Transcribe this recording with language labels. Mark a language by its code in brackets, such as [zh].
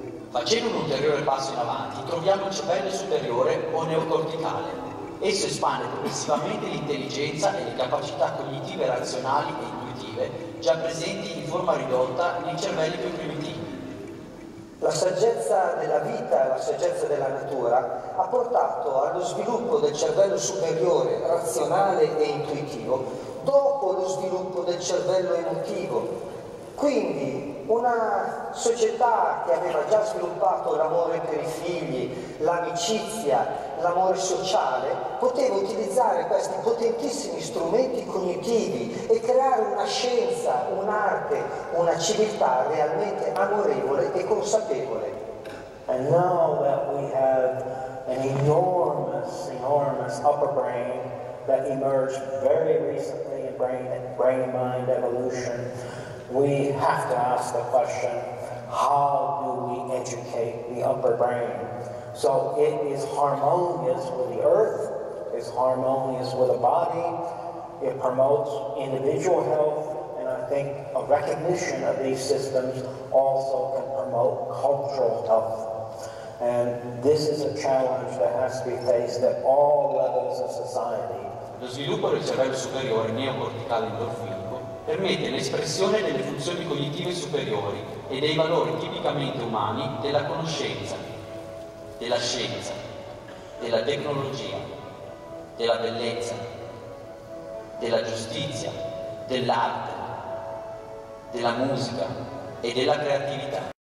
[it] Facendo un ulteriore passo in avanti, troviamo il cervello superiore o neocorticale. Esso espande progressivamente l'intelligenza e le capacità cognitive, razionali e intuitive già presenti in forma ridotta nei cervelli più primitivi. La saggezza della vita e la saggezza della natura ha portato allo sviluppo del cervello superiore, razionale e intuitivo, dopo lo sviluppo del cervello emotivo. Quindi una società che aveva già sviluppato l'amore per i figli, l'amicizia, l'amore sociale, poteva utilizzare questi potentissimi strumenti cognitivi e creare una scienza, un'arte, una civiltà realmente amorevole e consapevole. [en] And now that we have an enormous upper brain that emerged very recently in brain-mind evolution, we have to ask the question, how do we educate the upper brain? So it is harmonious with the earth, a is harmonious with the body. It promotes individual health, and I think a recognition of these systems also can promote cultural health. And this is a challenge that has to be faced at all levels of society. [it] Lo sviluppo del cervello superiore neocorticale endorfico permette l'espressione delle funzioni cognitive superiori e dei valori tipicamente umani della conoscenza, della scienza, della tecnologia, della bellezza, della giustizia, dell'arte, della musica e della creatività.